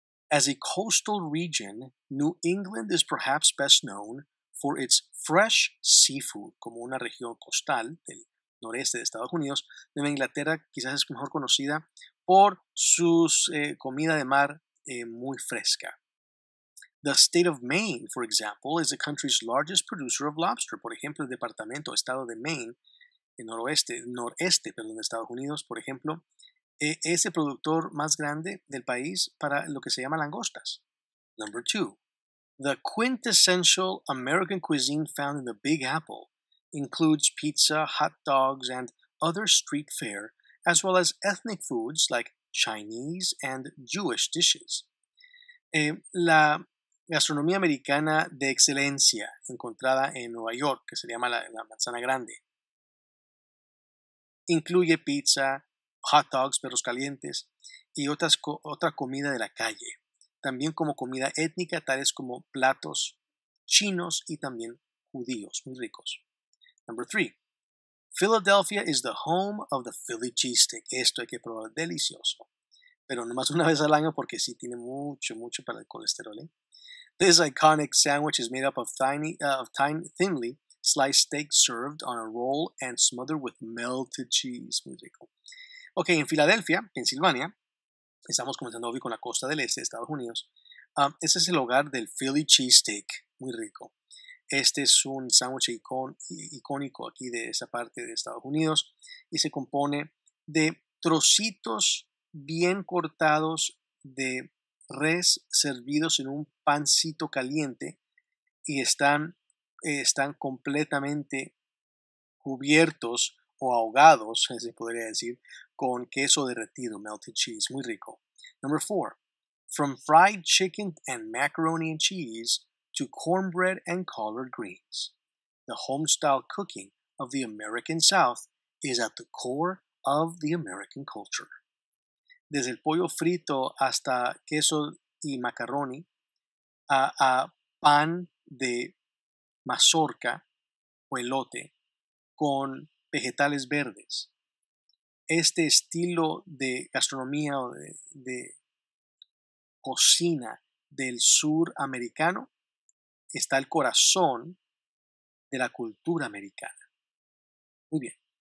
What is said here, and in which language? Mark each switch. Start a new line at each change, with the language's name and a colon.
English: As a coastal region, New England is perhaps best known for its fresh seafood.
Spanish: Como una región costal del noreste de Estados Unidos, Nueva Inglaterra quizás es mejor conocida por su comida de mar muy fresca.
English: The state of Maine, for example, is the country's largest producer of lobster.
Spanish: Por ejemplo, el departamento, estado de Maine, el noreste de Estados Unidos, por ejemplo, es el productor más grande del país para lo que se llama langostas.
English: Number two, the quintessential American cuisine found in the Big Apple includes pizza, hot dogs, and other street fare, as well as ethnic foods like Chinese and Jewish dishes.
Spanish: La gastronomía americana de excelencia encontrada en Nueva York, que se llama la manzana grande, incluye pizza, hot dogs, perros calientes, y otra comida de la calle. También como comida étnica, tales como platos chinos y también judíos, muy ricos.
English: Number three, Philadelphia is the home of the Philly cheesesteak.
Spanish: Esto hay que probar, delicioso. Pero nomás una vez al año porque sí tiene mucho, mucho para el colesterol, ¿eh?
English: This iconic sandwich is made up of thinly sliced steak served on a roll and smothered with melted cheese.
Spanish: Muy rico. Ok, en Filadelfia, Pensilvania, estamos comenzando hoy con la costa del este de Estados Unidos. Ese es el hogar del Philly cheesesteak. Muy rico. Este es un sándwich icónico aquí de esa parte de Estados Unidos y se compone de trocitos bien cortados de res servidos en un pancito caliente y están completamente cubiertos o ahogados, se podría decir, con queso derretido, melted cheese, muy rico.
English: Number four, from fried chicken and macaroni and cheese to cornbread and collard greens, the homestyle cooking of the American South is at the core of the American culture.
Spanish: Desde el pollo frito hasta queso y macaroni, a pan de mazorca o elote con vegetales verdes. Este estilo de gastronomía o de cocina del sur americano está al corazón de la cultura americana. Muy bien.